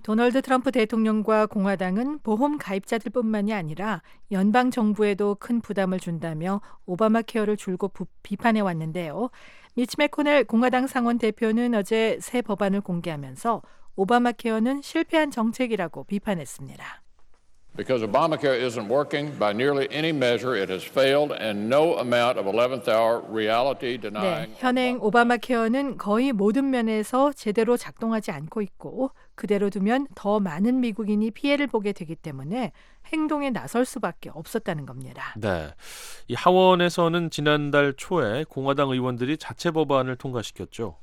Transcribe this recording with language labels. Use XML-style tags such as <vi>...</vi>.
<ko>도널드 트럼프 대통령과 공화당은 보험 가입자들뿐만이 아니라 연방 정부에도 큰 부담을 준다며 오바마 케어를 줄곧 비판해 왔는데요. 미치 맥코넬 공화당 상원 대표는 어제 새 법안을 공개하면서 오바마 케어는 실패한 정책이라고 비판했습니다.</ko> <en>Because Obamacare isn't working by nearly any measure, it has failed, and no amount of 11th hour reality denying.</en> <ko>네, 현행 오바마 케어는 거의 모든 면에서 제대로 작동하지 않고 있고 그대로 두면 더 많은 미국인이 피해를 보게 되기 때문에 행동에 나설 수밖에 없었다는 겁니다. 네, 이 하원에서는 지난달 초에 공화당 의원들이 자체 법안을 통과시켰죠.</ko>